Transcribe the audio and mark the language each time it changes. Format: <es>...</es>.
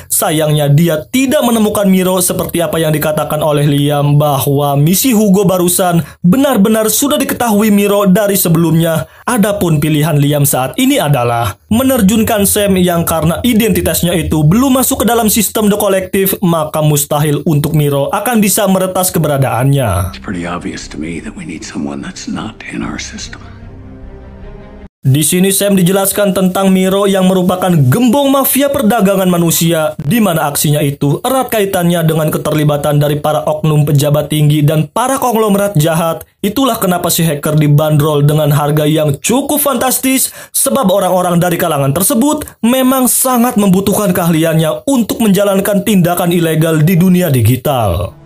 <id>Sayangnya dia tidak menemukan Miro seperti apa yang dikatakan oleh Liam bahwa misi Hugo barusan benar-benar sudah diketahui Miro dari sebelumnya. Adapun pilihan Liam saat ini adalah menerjunkan Sam yang karena identitasnya itu belum masuk ke dalam sistem The Collective, maka mustahil untuk Miro akan bisa meretas keberadaannya.</id> <en>It's pretty obvious to me that we need someone that's not in our system.</en> <id>Di sini Sam dijelaskan tentang Miro yang merupakan gembong mafia perdagangan manusia, di mana aksinya itu erat kaitannya dengan keterlibatan dari para oknum pejabat tinggi dan para konglomerat jahat. Itulah kenapa si hacker dibanderol dengan harga yang cukup fantastis, sebab orang-orang dari kalangan tersebut memang sangat membutuhkan keahliannya untuk menjalankan tindakan ilegal di dunia digital.</id>